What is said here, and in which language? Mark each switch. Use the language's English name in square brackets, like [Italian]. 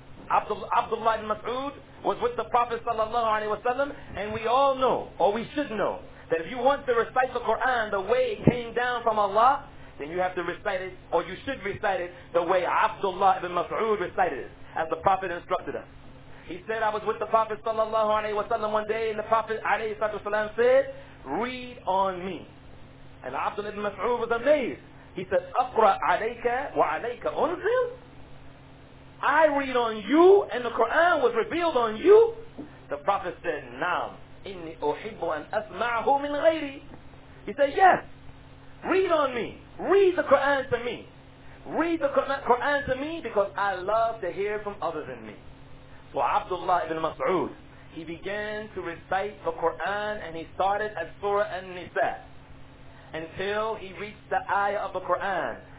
[English] Abdullah ibn Mas'ud was with the Prophet sallallahu alayhi wa sallam, and we all know, or we should know, that if you want to recite the Quran the way it came down from Allah, then you have to recite it, or you should recite it, the way Abdullah ibn Mas'ud recited it, as the Prophet instructed us. He said, I was with the Prophet sallallahu alayhi wa sallam one day, and the Prophet alayhi wa sallam said, read on me. And Abdullah ibn Mas'ud was amazed. [Arabic] He said, أقرأ عليك وعليك أنزل. [English] I read on you, and the Quran was revealed on you. [Arabic] The Prophet said, نعم إني أحب أن أسمعه من غيري. [English] He said, yes, read on me. Read the Quran to me. Read the Quran to me because I love to hear from others than me. So Abdullah ibn Mas'ud, he began to recite the Quran, and he started at Surah An-Nisa until he reached the ayah of the Quran.